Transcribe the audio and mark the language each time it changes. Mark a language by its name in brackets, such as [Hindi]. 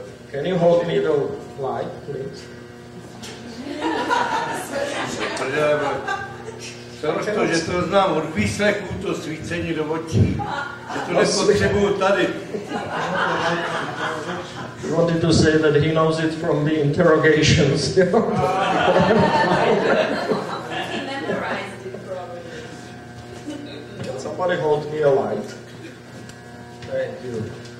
[English] Can you hold me the light, please? [Czech] Proto, že to znám od výslechu, to svícení do očí, že to nepotřebuju tady. [English] He wanted to say that he knows it from the interrogations. He memorized it probably. Can somebody hold me a light? Thank you.